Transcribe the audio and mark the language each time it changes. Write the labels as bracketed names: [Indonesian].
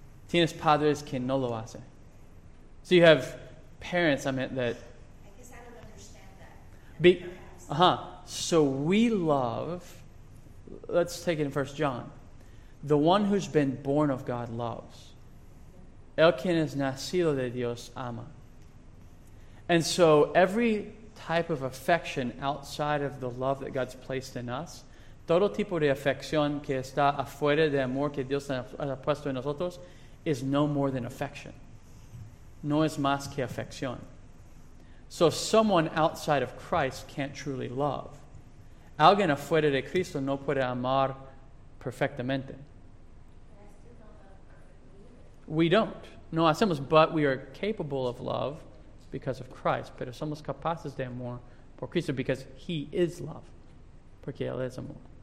[Spanish] Tienes padres que no lo hacen. [English] So you have parents, I meant that. I guess I don't understand that. So we love, let's take it in 1 John. The one who's been born of God loves. [Spanish] El quien es nacido de Dios ama. [English] And so every type of affection outside of the love that God's placed in us, [Spanish] todo tipo de afección que está afuera de amor que Dios ha puesto en nosotros, [English] is no more than affection. [Spanish] No es más que afección. [English] So someone outside of Christ can't truly love. [Spanish] Alguien afuera de Cristo no puede amar perfectamente. [English] We don't. [Spanish] No hacemos, [English] but we are capable of love because of Christ. [Spanish] Pero somos capaces de amor por Cristo [English] because he is love. [Spanish] Porque él es amor.